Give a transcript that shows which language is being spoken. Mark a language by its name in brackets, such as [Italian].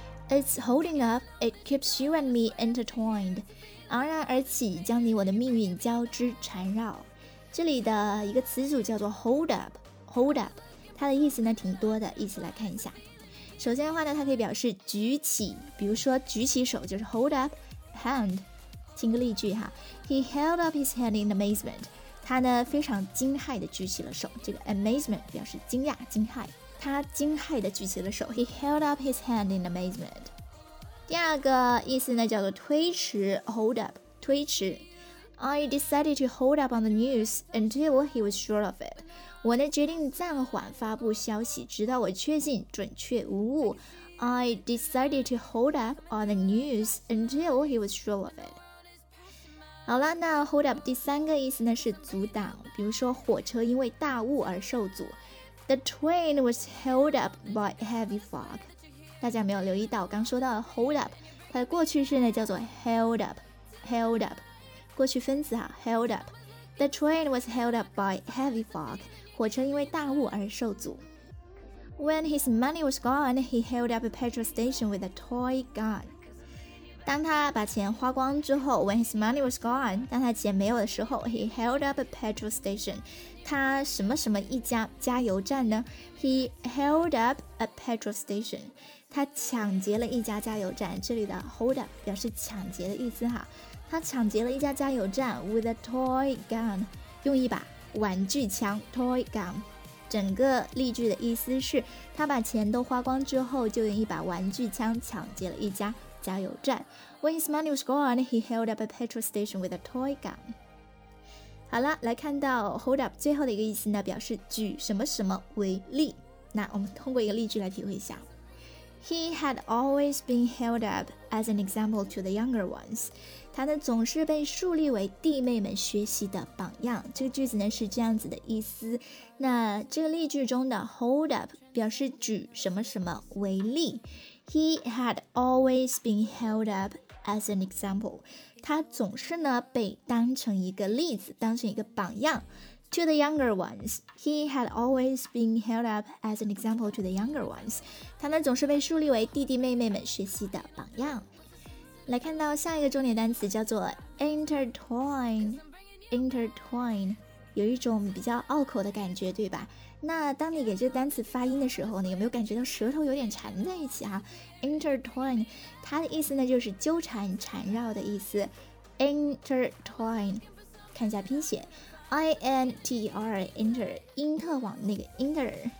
[English] It's holding up, it keeps you and me intertwined. [Chinese] 昂然而起，将你我的命运交织缠绕。这里的一个词组叫做 hold up, hold up, 它的意思呢挺多的，一起来看一下。首先的话呢，它可以表示举起，比如说举起手就是 hold up hand. [English] 听个例句哈， He held up his hand in amazement. [Chinese] 他呢非常惊骇地举起了手，这个 amazement 表示惊讶、惊骇。他惊骇地举起了手 He held up his hand in amazement 第二个意思呢叫做推迟 Hold up 推迟 [English] I decided to hold up on the news until he was sure of it 我呢决定暂缓发布消息直到我确信准确无误 I decided to hold up on the news until he was sure of it 好了那 hold up 第三个意思呢是阻挡比如说火车因为大雾而受阻 The train was held up by heavy fog. [Chinese] 大家没有留意到刚说到的 hold up, 它的过去式呢叫做 held up, held up, 过去分词啊 held up. [English] The train was held up by heavy fog, 火车因为大雾而受阻。 When his money was gone, he held up a petrol station with a toy gun. [Chinese] 当他把钱花光之后 when his money was gone, 当他钱没有的时候 he held up a petrol station. 他什么什么一家加油站呢 He held up a petrol station 他抢劫了一家加油站这里的 hold up 表示抢劫的意思哈他抢劫了一家加油站 with a toy gun 用一把玩具枪 toy gun 整个例句的意思是他把钱都花光之后就用一把玩具枪抢劫了一家加油站 When his money was gone he held up a petrol station with a toy gun 好了，来看到 hold up 最后的一个意思呢，表示举什么什么为例。那我们通过一个例句来体会一下。 [English] He had always been held up as an example to the younger ones. [Chinese] 他呢总是被树立为弟妹们学习的榜样。这个句子呢是这样子的意思。那这个例句中的 hold up 表示举什么什么为例。 [English] He had always been held up as an example. [Chinese] 他总是呢被当成一个例子当成一个榜样 To the younger ones He had always been held up as an example to the younger ones 他呢总是被树立为弟弟妹妹们学习的榜样来看到下一个重点单词叫做 intertwine 有一种比较拗口的感觉对吧那当你给这个单词发音的时候呢有没有感觉到舌头有点缠在一起啊 intertwine 它的意思呢就是纠缠缠绕的意思 intertwine 看一下拼写 I-N-T-R inter 因特网那个 inter